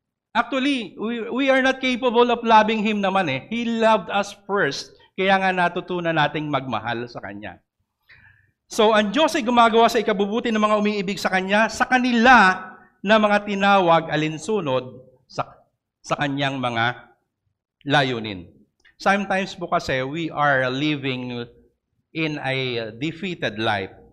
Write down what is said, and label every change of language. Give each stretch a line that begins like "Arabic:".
English: Actually, we are not capable of loving Him
Filipino: naman eh.
English: He loved us first,
Filipino: kaya nga natutunan nating magmahal sa Kanya. So, ang Diyos ay gumagawa sa ikabubuti ng mga umiibig sa Kanya, sa kanila na mga tinawag alinsunod sa Kanyang mga layunin.
English: Sometimes
Filipino: po kasi,
English: we are living in a defeated life.